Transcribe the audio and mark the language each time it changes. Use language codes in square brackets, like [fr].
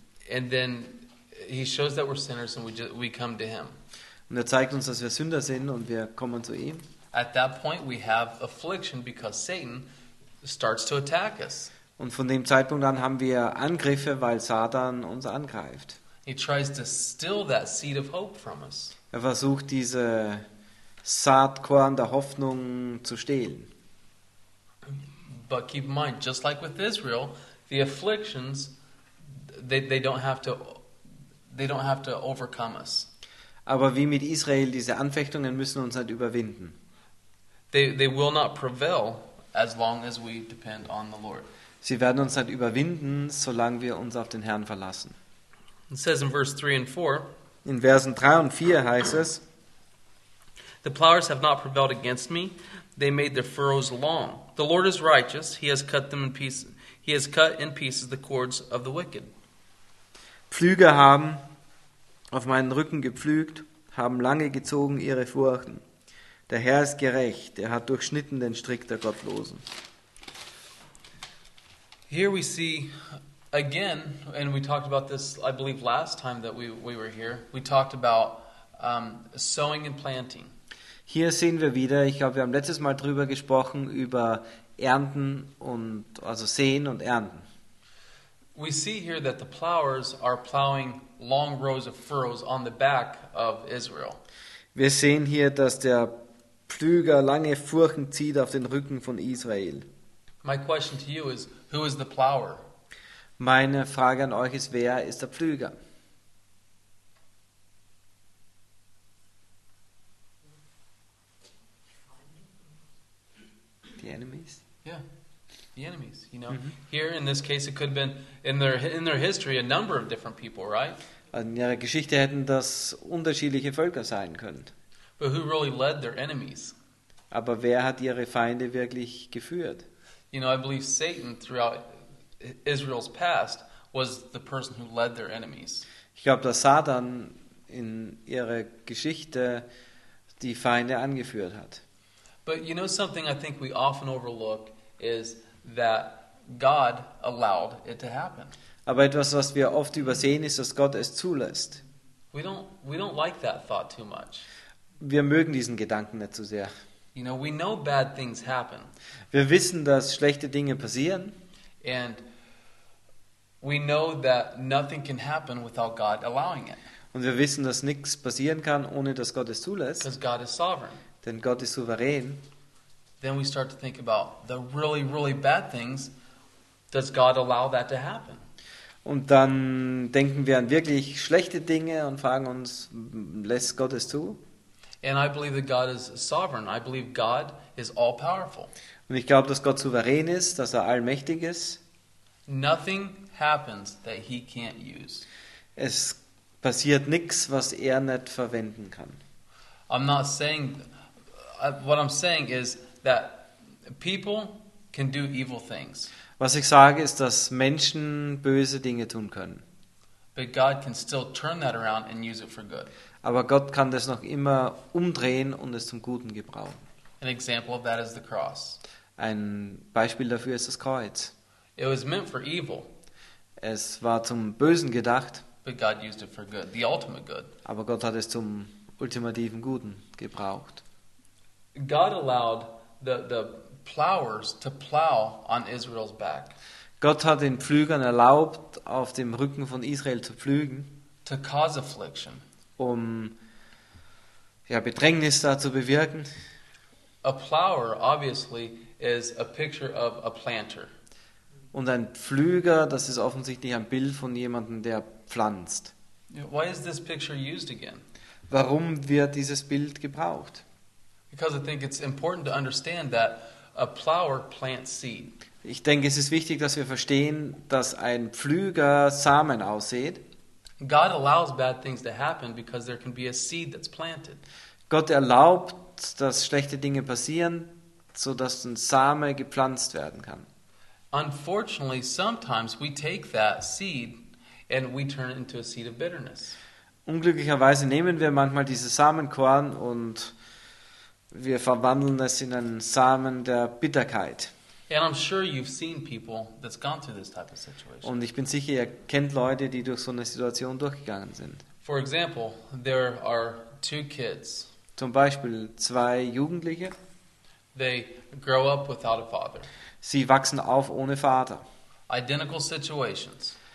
[en] And then he shows that we're sinners and we come to him. [de] Und er zeigt uns, dass wir Sünder sind und wir kommen zu ihm. [en] At that point we have affliction because Satan starts to attack us. [de] Und von dem Zeitpunkt an haben wir Angriffe, weil Satan uns angreift. [en] He tries to steal that seed of hope from us. [de] Er versucht, diese Saatkorn der Hoffnung zu stehlen. [en] But keep in mind, just like with Israel, the afflictions they don't have to overcome us. [de] Aber wie mit Israel, diese Anfechtungen müssen uns nicht überwinden. [en] They will not prevail as long as we depend on the Lord. [de] Sie werden uns nicht überwinden, solange wir uns auf den Herrn verlassen. [en] It says in verse 3 and 4. [de] In Versen 3 und 4 heißt es: [en] The plowers have not prevailed against me; they made their furrows long. The Lord is righteous; he has cut them in pieces. He has cut in pieces the cords of the wicked. [de] Pflüger haben auf meinen Rücken gepflügt, haben lange gezogen ihre Furchen. Der Herr ist gerecht, er hat durchschnitten den Strick der Gottlosen. [en] Here we see again, and we talked about this, I believe, last time that we were here. We talked about sowing and planting. [de] Hier sehen wir wieder, ich glaube, wir haben letztes Mal drüber gesprochen, über Ernten und also Säen und Ernten. [en] We see here that the plowers are plowing long rows of furrows on the back of Israel. [de] Wir sehen hier, dass der Pflüger lange Furchen zieht auf den Rücken von Israel. [en] My question to you is, who is the plower? [de] Meine Frage an euch ist, wer ist der Pflüger? [en] The enemies? Yeah, the enemies. You know, mm-hmm. Here in this case, it could have been in their history a number of different people, right? [de] In ihrer Geschichte hätten das unterschiedliche Völker sein können. [en] But who really led their enemies? [de] Aber wer hat ihre Feinde wirklich geführt? [en] You know, I believe Satan throughout Israel's past was the person who led their enemies. [de] Ich glaube, dass Satan in ihrer Geschichte die Feinde angeführt hat. [en] But you know something I think we often overlook is that God allowed it to happen. [de] Aber etwas, was wir oft übersehen, ist, dass Gott es zulässt. [en] We don't like that thought too much. [de] Wir mögen diesen Gedanken nicht so sehr. [en] You know, we know bad things happen. [de] Wir wissen, dass schlechte Dinge passieren. [en] And we know that nothing can happen without God allowing it. [de] Und wir wissen, dass nichts passieren kann, ohne dass Gott es zulässt. [en] Because God is sovereign. [de] Denn Gott ist souverän. [en] Then we start to think about the really, really bad things. Does God allow that to happen? [de] Und dann denken wir an wirklich schlechte Dinge und fragen uns, lässt Gott es zu? [en] And I believe that God is sovereign. I believe God is all powerful. [de] Und ich glaube, dass Gott souverän ist, dass er allmächtig ist. [en] Nothing happens that he can't use. [de] Es passiert nichts, was er nicht verwenden kann. [en] I'm not saying, what I'm saying is that people can do evil things. [de] Was ich sage, ist, dass Menschen böse Dinge tun können. [en] But God can still turn that around and use it for good. [de] Aber Gott kann das noch immer umdrehen und es zum Guten gebrauchen. [en] An example of that is the cross. [de] Ein Beispiel dafür ist das Kreuz. [en] It was meant for evil. [de] Es war zum Bösen gedacht. [en] But God used it for good, the ultimate good. [de] Aber Gott hat es zum ultimativen Guten gebraucht. [en] God allowed the plowers to plow on Israel's back. [de] Gott hat den Pflügern erlaubt, auf dem Rücken von Israel zu pflügen, [en] to cause affliction, [de] um ja, Bedrängnis da zu bewirken. [en] A plower obviously is a picture of a planter. [de] Und ein Pflüger, das ist offensichtlich ein Bild von jemandem, der pflanzt. [en] Why is this picture used again? [de] Warum wird dieses Bild gebraucht? [en] Because I think it's important to understand that a plower plants seed. [de] Ich denke, es ist wichtig, dass wir verstehen, dass ein Pflüger Samen aussät. [en] God allows bad things to happen because there can be a seed that's planted. [de] Gott erlaubt, dass schlechte Dinge passieren, so dass ein Same gepflanzt werden kann. [en] Unfortunately, sometimes we take that seed and we turn it into a seed of bitterness. [de] Unglücklicherweise nehmen wir manchmal dieses Samenkorn und wir verwandeln es in einen Samen der Bitterkeit. [en] And I'm sure you've seen people that's gone through this type of situation. [de] Und ich bin sicher, ihr kennt Leute, die durch so eine Situation durchgegangen sind. [en] For example, there are two kids. [de] Zum Beispiel zwei Jugendliche. [en] They grow up without a father. [de] Sie wachsen auf ohne Vater. [en] Identical situations.